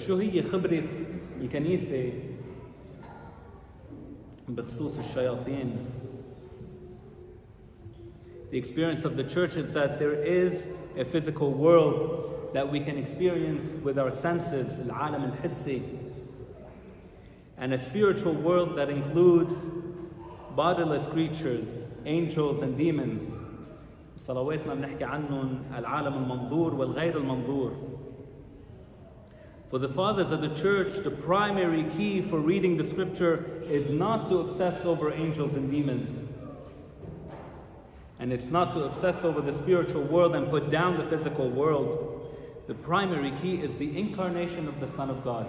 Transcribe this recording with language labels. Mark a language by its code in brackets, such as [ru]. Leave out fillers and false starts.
[ar] شو هي خبرة الكنيسة بخصوص الشياطين؟ [en] The experience of the church is that there is a physical world that we can experience with our senses, [ar] العالم الحسي, [en] and a spiritual world that includes bodiless creatures, angels and demons. [ar] صلواتنا بنحكي عنهم العالم المنظور والغير المنظور. [en] For the fathers of the church, the primary key for reading the scripture is not to obsess over angels and demons. And it's not to obsess over the spiritual world and put down the physical world. The primary key is the incarnation of the Son of God.